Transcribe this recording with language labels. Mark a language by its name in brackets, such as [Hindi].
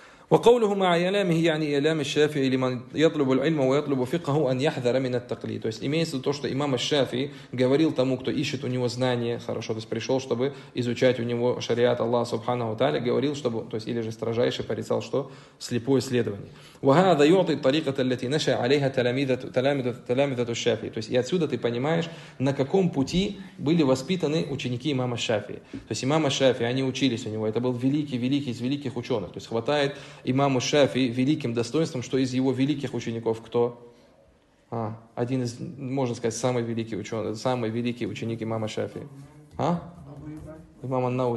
[Arabic] وقوله مع إلامه يعني إلام الشافعي لمن يطلب العلم ويطلب فقه أن يحذر من التقليد. [Russian] То есть имеется в виду то, что имам Шафии говорил тому, кто ищет у него знания, хорошо, то есть пришел, чтобы изучать у него шариат Аллаха Субханаху Тааля, говорил, чтобы, то есть или же строжайше порицал, что слепое следование. [Arabic] وهذا يعطي الطريقة التي نشأ عليها تلامذة الشافعي. [Russian] То есть и отсюда ты понимаешь, на каком пути были воспитаны ученики имама Шафии. То есть имама Шафии, они учились у него, это был великий из великих ученых. То есть хватает имаму Шафии великим достоинством, что из его великих учеников кто? Один из, можно сказать, самый великий ученый, самый великий ученик имама Шафии. Имам ан-Науи.